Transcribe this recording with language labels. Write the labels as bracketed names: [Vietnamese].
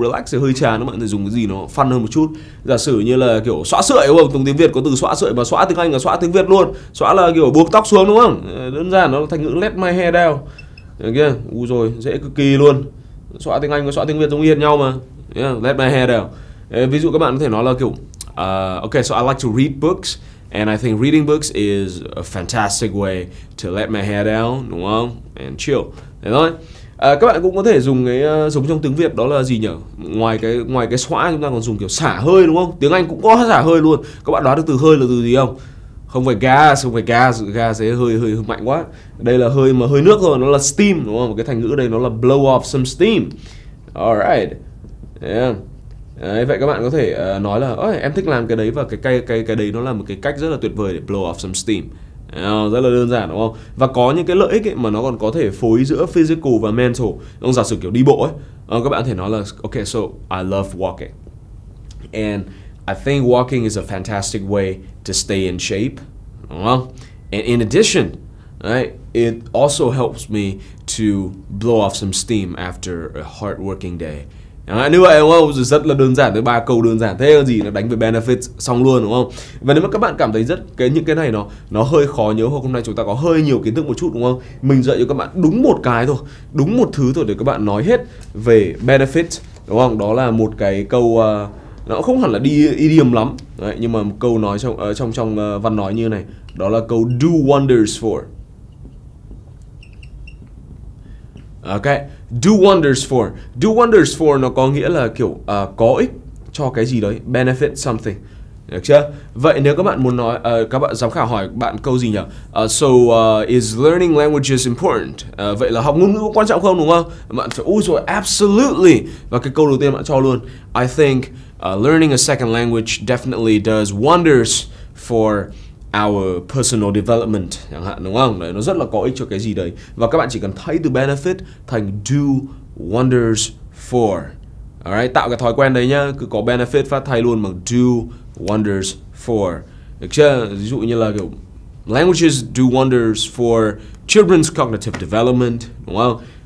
[Vietnamese] Relax thì hơi chán, các bạn có thể dùng cái gì nó fun hơn một chút. Giả sử như là kiểu xõa sợi, đúng không? Trong tiếng Việt có từ xõa sợi mà xõa tiếng Anh là xõa tiếng Việt luôn. Xõa là kiểu buộc tóc xuống, đúng không? Đơn giản nó thành ngữ let my hair down. Được kia, ui rồi dễ cực kỳ luôn. Xõa tiếng Anh và xõa tiếng Việt giống hệt nhau mà. Yeah, let my hair down. Ví dụ các bạn có thể nói là kiểu [English] okay, so I like to read books. And I think reading books is a fantastic way to let my hair down, [Vietnamese] đúng không? [English] And chill. [Vietnamese] Thế thôi. Các bạn cũng có thể dùng cái giống trong tiếng Việt đó là gì nhỉ? Ngoài cái xõa chúng ta còn dùng kiểu xả hơi, đúng không? Tiếng Anh cũng có xả hơi luôn. Các bạn đoán được từ hơi là từ gì không? Không phải gas. Gas ấy hơi mạnh quá. Đây là hơi mà hơi nước thôi. Nó là steam, đúng không? Cái thành ngữ đây nó là blow off some steam. Alright. Yeah. Đấy, vậy các bạn có thể nói là ôi, em thích làm cái đấy và cái đấy nó là một cái cách rất là tuyệt vời để blow off some steam. Rất là đơn giản, đúng không? Và có những cái lợi ích ấy mà nó còn có thể phối giữa physical và mental. Đúng, giả sử kiểu đi bộ ấy, các bạn có thể nói là [English] okay, so I love walking. And I think walking is a fantastic way to stay in shape. [Vietnamese] Đúng không? [English] And in addition, right, it also helps me to blow off some steam after a hard working day. À, như vậy, đúng không? [Vietnamese] Rất là đơn giản, tới ba câu đơn giản thế là gì, nó đánh về benefits xong luôn, đúng không? Và nếu mà các bạn cảm thấy rất cái những cái này nó hơi khó nhớ, hoặc hôm nay chúng ta có hơi nhiều kiến thức một chút, đúng không? Mình dạy cho các bạn đúng một cái thôi, đúng một thứ thôi để các bạn nói hết về benefits, đúng không? Đó là một cái câu nó không hẳn là đi idiom lắm đấy, nhưng mà một câu nói trong văn nói như này, đó là câu do wonders for. Okay. Do wonders for. Do wonders for nó có nghĩa là kiểu có ích cho cái gì đấy, benefit something. Được chưa? Vậy nếu các bạn muốn nói các bạn giám khảo hỏi bạn câu gì nhỉ? [English] Is learning languages important? [Vietnamese] Vậy là học ngôn ngữ quan trọng không, đúng không? Bạn sẽ ôi rồi absolutely. Và cái câu đầu tiên bạn cho luôn. [English] I think learning a second language definitely does wonders for our personal development, [Vietnamese] chẳng hạn, đúng không? Đấy, nó rất là có ích cho cái gì đấy. Và các bạn chỉ cần thay từ benefit thành do wonders for. Alright, tạo cái thói quen đấy nhá. Cứ có benefit phát thay luôn bằng do wonders for. Được chưa? Ví dụ như là kiểu [English] languages do wonders for children's cognitive development, [Vietnamese] đúng không?